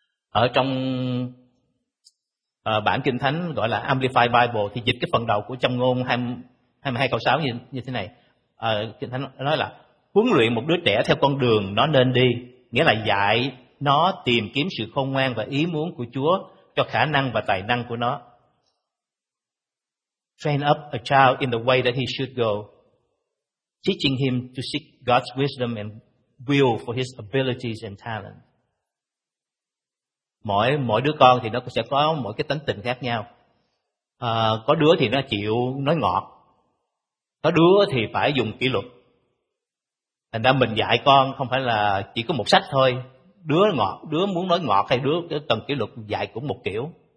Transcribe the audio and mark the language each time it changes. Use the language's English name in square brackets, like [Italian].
[Vietnamese] Ở trong bản Kinh Thánh gọi là Amplified Bible thì dịch cái phần đầu của Châm Ngôn 22 câu 6 như thế này. Kinh Thánh nói là huấn luyện một đứa trẻ theo con đường nó nên đi, nghĩa là dạy nó tìm kiếm sự khôn ngoan và ý muốn của Chúa cho khả năng và tài năng của nó. [English] Train up a child in the way that he should go, teaching him to seek God's wisdom and will for his abilities and talent. [Vietnamese] Mỗi đứa con thì nó sẽ có mỗi cái tính tình khác nhau. Có đứa thì nó chịu nói ngọt, có đứa thì phải dùng kỷ luật. Thành ra mình dạy con không phải là chỉ có một sách thôi, đứa ngọt, đứa muốn nói ngọt hay đứa cần kỷ luật, dạy cũng một kiểu.